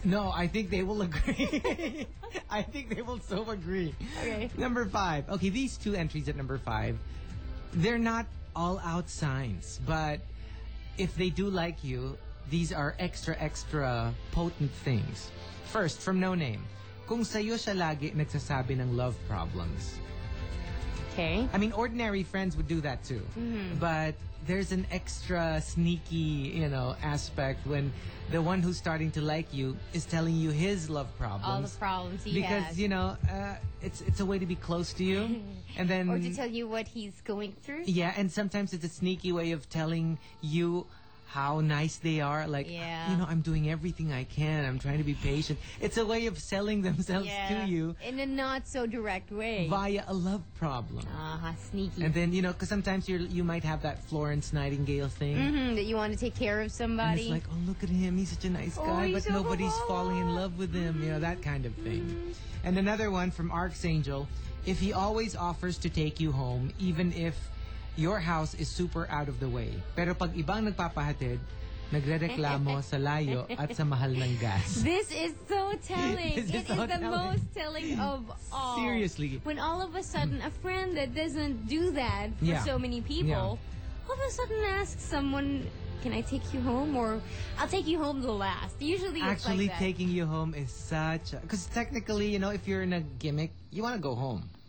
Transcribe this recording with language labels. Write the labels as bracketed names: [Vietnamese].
[English] No, I think they will agree. I think they will so agree. Okay. Number five. Okay, these two entries at number five, they're not all-out signs, but if they do like you, these are extra, extra potent things. First, from No Name. [Filipino] Kung sa'yo siya lagi nagsasabi ng love problems. [English] Okay. I mean, ordinary friends would do that too. Mm-hmm. But there's an extra sneaky, you know, aspect when the one who's starting to like you is telling you his love problems. All the problems he because, Because, you know, it's a way to be close to you. And then, or to tell you what he's going through. Yeah, and sometimes it's a sneaky way of telling you how nice they are. Like, yeah. You know, I'm doing everything I can. I'm trying to be patient. It's a way of selling themselves to you. In a not so direct way. Via a love problem. Sneaky. And then, you know, because sometimes you might have that Florence Nightingale thing. Mm-hmm, that you want to take care of somebody. And it's like, oh, look at him. He's such a nice guy. Oh, but so nobody's falling in love with him. Mm-hmm. You know, that kind of thing. Mm-hmm. And another one from Archangel. If he always offers to take you home, even if your house is super out of the way. [Filipino] Pero pag ibang nagpapahatid, nagre-reklamo sa layo at sa mahal ng gas. [English] This is so telling. Most telling of all. Seriously. When all of a sudden, a friend that doesn't do that for so many people, all of a sudden asks someone, can I take you home? Or I'll take you home the last. Usually it's actually like that. Taking you home is such a... Because technically, you know, if you're in a gimmick, you want to go home.